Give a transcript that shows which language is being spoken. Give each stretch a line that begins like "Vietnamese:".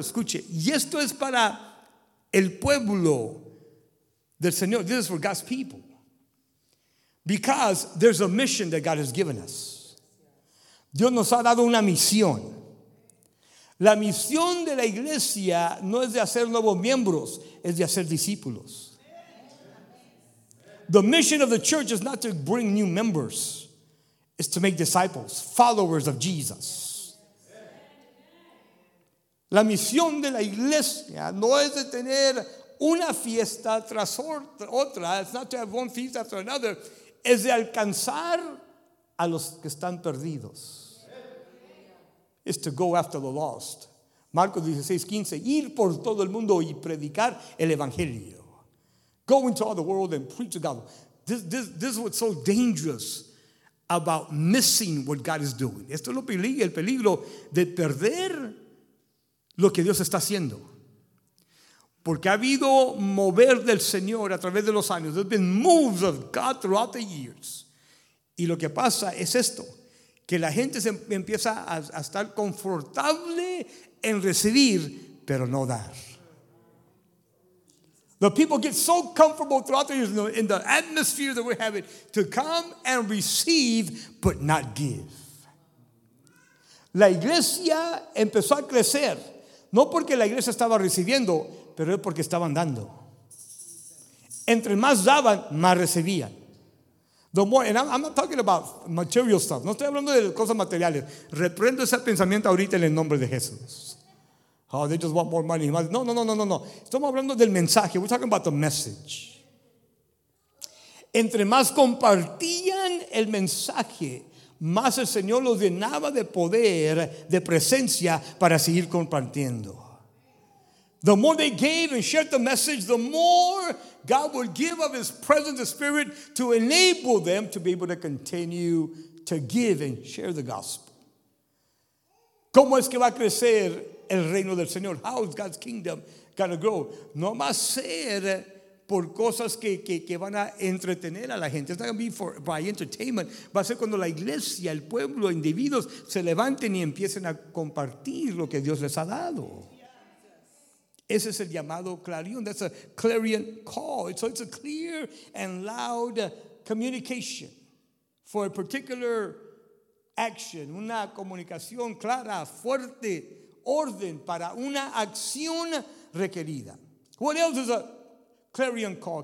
Spanish: Escuche, y esto es para el pueblo del Señor.
English: This is for God's people. Because there's a mission that God has given us.
Spanish: Dios nos ha dado una misión. La misión de la iglesia no es de hacer nuevos miembros, es de hacer discípulos.
English: The mission of the church is not to bring new members, it's to make disciples, followers of Jesus.
Spanish: La misión de la iglesia no es de tener una fiesta tras otra.
English: It's not to have one feast after another.
Spanish: Es de alcanzar a los que están perdidos.
English: It's to go after the lost.
Spanish: Marcos 16:15. Ir por todo el mundo y predicar el evangelio.
English: Go into all the world and preach the gospel. This is what's so dangerous about missing what God is doing.
Spanish: Esto es lo peligro, el peligro de perder lo que Dios está haciendo. Porque ha habido mover del Señor a través de los años.
English: There's been moves of God throughout the years.
Spanish: Y lo que pasa es esto. Que la gente se empieza a estar confortable en recibir, pero no dar.
English: The people get so comfortable throughout the years in the atmosphere that we're having to come and receive, but not give.
Spanish: La iglesia empezó a crecer. No porque la iglesia estaba recibiendo, pero es porque estaban dando. Entre más daban, más recibían.
English: The more, and I'm not talking about material stuff.
Spanish: No estoy hablando de cosas materiales. Reprendo ese pensamiento ahorita en el nombre de Jesús.
English: Oh, they just want more money.
Spanish: No. Estamos hablando del mensaje.
English: We're talking about the message.
Spanish: Entre más compartían el mensaje, más el Señor los llenaba de poder, de presencia, para seguir compartiendo.
English: The more they gave and shared the message, the more God would give of His presence, the Spirit, to enable them to be able to continue to give and share the gospel.
Spanish: ¿Cómo es que va a crecer el reino del Señor?
English: How is God's kingdom going to grow?
Spanish: No va a ser por cosas que van a entretener a la gente.
English: It's not going to be by entertainment.
Spanish: Va a ser cuando la iglesia, el pueblo, individuos se levanten y empiecen a compartir lo que Dios les ha dado. Ese es el llamado clarion.
English: That's a clarion call. So it's a clear and loud communication for a particular action.
Spanish: Una comunicación clara, fuerte, orden para una acción requerida.
English: What else is a clarion call.